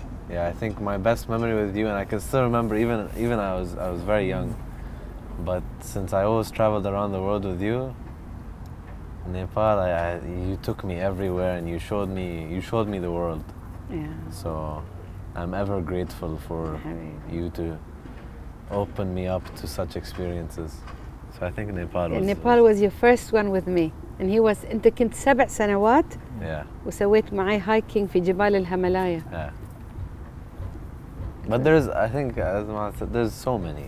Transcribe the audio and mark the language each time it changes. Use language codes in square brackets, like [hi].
[en] Yeah, I think my best memory with you, and I can still remember even I was very young, but since I always traveled around the world with you, Nepal, you took me everywhere and you showed me the world. Yeah. So, I'm ever grateful for you to open me up to such experiences. So I think Nepal was your first one with me, and he was. [ar] أنت كنت 7 سنوات. [en] Yeah. [ar] وسويت معي hiking في جبال الهيمالايا. [en] Yeah. But there's, I think, as I said, there's so many.